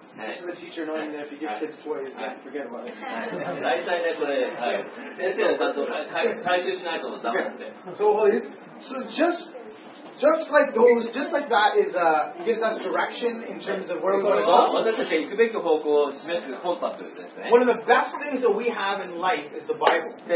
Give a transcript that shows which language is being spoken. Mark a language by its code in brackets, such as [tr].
[en] This is the teacher knowing that if you give kids toys, forget about it. [ja] 大体ね、これ、先生のちゃんと回収しないと思ったもんね。 [en] So, just like those, just like that is a, gives us direction in terms of where we're going to go. One of the best things that we have in life is the Bible.